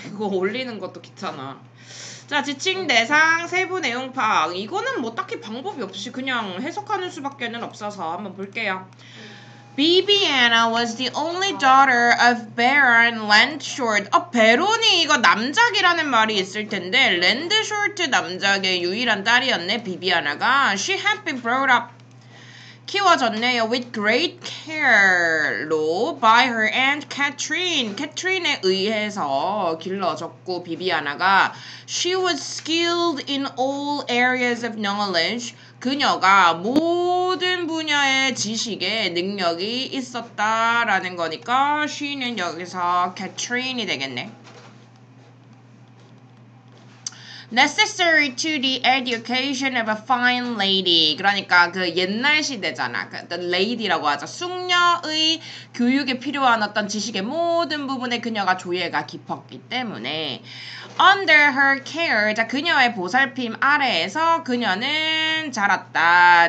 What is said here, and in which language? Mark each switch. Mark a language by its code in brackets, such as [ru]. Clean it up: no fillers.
[ko] 이거 올리는 것도 귀찮아. 자, 지칭 대상 세부 내용 파악. 이거는 뭐 딱히 방법이 없이 그냥 해석하는 수밖에 없어서 한번 볼게요. [en] Bibiana was the only daughter of Baron Landshort. [ko] 아, 베론이 이거 남작이라는 말이 있을 텐데 랜드쇼트 남작의 유일한 딸이었네, 비비아나가. [en] She had been brought up, [ko] 키워졌네요, [en] with great care로 by her aunt Catherine. [ko] Catherine에 의해서 길러졌고, 비비아나가. [en] She was skilled in all areas of knowledge. [ko] 그녀가 모든 분야의 지식에 능력이 있었다라는 거니까 she는 여기서 Catherine이 되겠네. [en] Necessary to the education of a fine lady. [ko] 그러니까 그 옛날 시대잖아. 그 the lady라고 하죠. 숙녀의 교육에 필요한 어떤 지식의 모든 부분에 그녀가 조예가 깊었기 때문에 [en] under her care, [ko] 자, 그녀의 보살핌 아래에서 그녀는 자랐다.